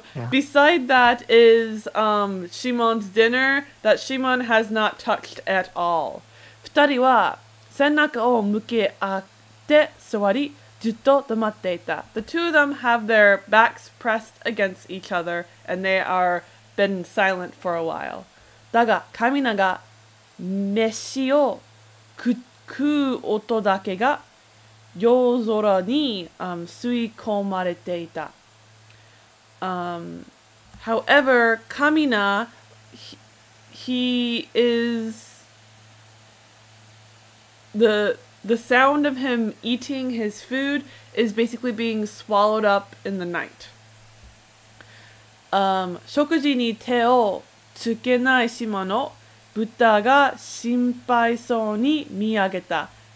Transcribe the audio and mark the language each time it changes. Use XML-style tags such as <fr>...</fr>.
<en>Beside that is Shimon's dinner that Shimon has not touched at all.</en> <ja>二人は背中を向け合って座り、じっと黙っていた。</ja> <en>The two of them have their backs pressed against each other and they are been silent for a while.</en> <ja>だが、カミナが飯を食う音だけが夜空に吸い込まれていた。</ja> <en>However, Kamina, he is the sound of him eating his food is basically being swallowed up in the night.</en> <ja>食事に手をつけないシモンを豚が心配そうに見上げた。</ja>